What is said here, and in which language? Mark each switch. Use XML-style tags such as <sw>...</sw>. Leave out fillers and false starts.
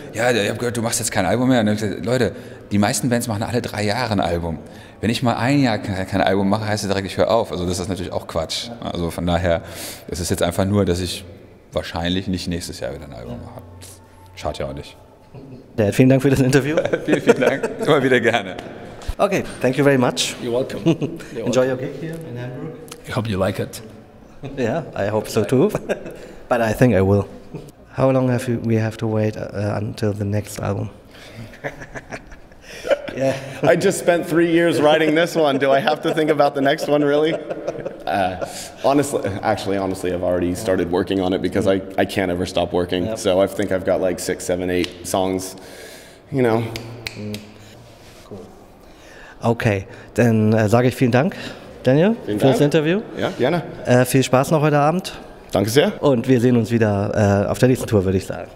<de>Ja, ich habe gehört, du machst jetzt kein Album mehr. Und dann hab ich gesagt, Leute, die meisten Bands machen alle 3 Jahre ein Album. Wenn ich mal ein Jahr kein Album mache, heißt es direkt, ich höre auf. Also das ist natürlich auch Quatsch. Also von daher, es ist jetzt einfach nur, dass ich wahrscheinlich nicht nächstes Jahr wieder ein Album mache. Schadet ja auch nicht. Ja, vielen Dank für das Interview. vielen Dank. Immer wieder gerne.</de> <en>Okay, thank you very much. You're welcome. You're Enjoy welcome. Your gig here in Hamburg. I hope you like it. Yeah, I hope so too. But I think I will. How long have we to wait until the next album? Yeah. I just spent 3 years writing this one. Do I have to think about the next one, really? Honestly, I've already started working on it because I can't ever stop working. Yep. So I think I've got like 6, 7, 8 songs, you know. Cool.</en> <de>Okay, dann sage ich vielen Dank, Daniel, für das Interview. Ja, gerne. Viel Spaß noch heute Abend. Danke sehr. Und wir sehen uns wieder auf der nächsten Tour, würde ich sagen.</de>